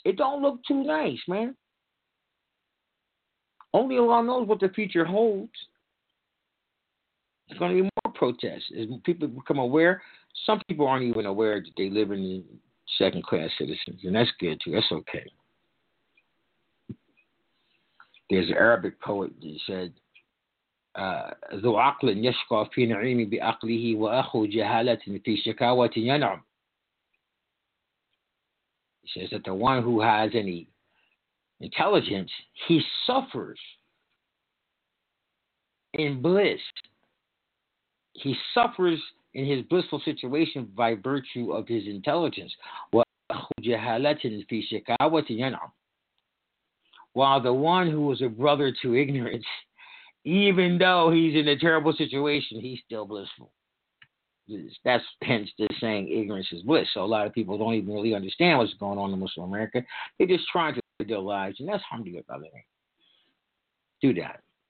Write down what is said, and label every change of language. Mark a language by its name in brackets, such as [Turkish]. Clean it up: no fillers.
[English] It don't look too nice, man. Only Allah knows what the future holds. There's going to be more protests as people become aware. Some people aren't even aware that they live in second-class citizens, and that's good, too. That's okay. There's an Arabic poet that said, [Arabic] "ذو عقل يشقى في نعيم بأقله وأخو جهالة في شكاوة ينعم." [English] He says that the one who has any intelligence, he suffers in bliss. He suffers in his blissful situation by virtue of his intelligence. [Arabic] وأخو جهالة في شكاوة ينعم. [English] While the one who was a brother to ignorance, even though he's in a terrible situation, he's still blissful. That's hence the saying, ignorance is bliss. So a lot of people don't even really understand what's going on in Muslim America. They're just trying to live their lives, and that's humdiga, by the way. Do that.